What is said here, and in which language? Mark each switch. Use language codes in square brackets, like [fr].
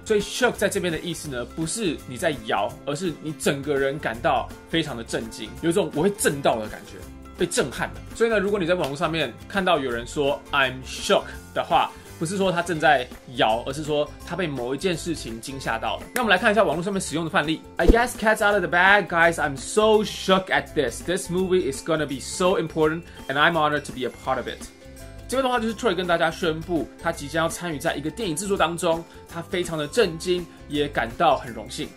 [zh] 所以 shook 在这边的意思呢，不是你在摇，而是你整个人感到非常的震惊，有一种我会震到的感觉，被震撼了。所以呢，如果你在网络上面看到有人说 [en] I'm shook [zh] 的话，不是说他正在摇，而是说他被某一件事情惊吓到了。那我们来看一下网络上面使用的范例。 [en] I guess cat's out of the bag, guys, I'm so shook at this. This movie is gonna be so important and I'm honored to be a part of it. [zh] 这边的话就是 Troy 跟大家宣布他即将要参与在一个电影制作当中，他非常的震惊，也感到很荣幸。